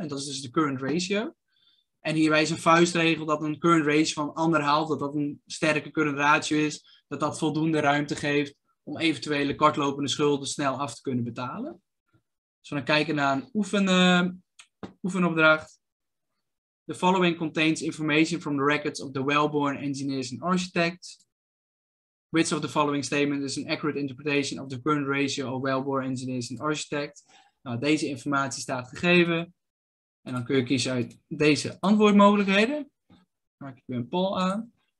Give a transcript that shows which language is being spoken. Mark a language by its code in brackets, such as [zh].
[nl] En dat is dus de current ratio. En hierbij is een vuistregel dat een current ratio van 1,5, dat een sterke current ratio is, dat dat voldoende ruimte geeft om eventuele kortlopende schulden snel af te kunnen betalen. Dus we gaan kijken naar een oefenopdracht. [en] The following contains information from the records of the Wellborn Engineers and Architects. Which of the following statements is an accurate interpretation of the current ratio of Wellborn Engineers and Architects? [nl] Nou, deze informatie staat gegeven. En dan kun je kiezen uit deze antwoordmogelijkheden. Maak ik weer een poll aan.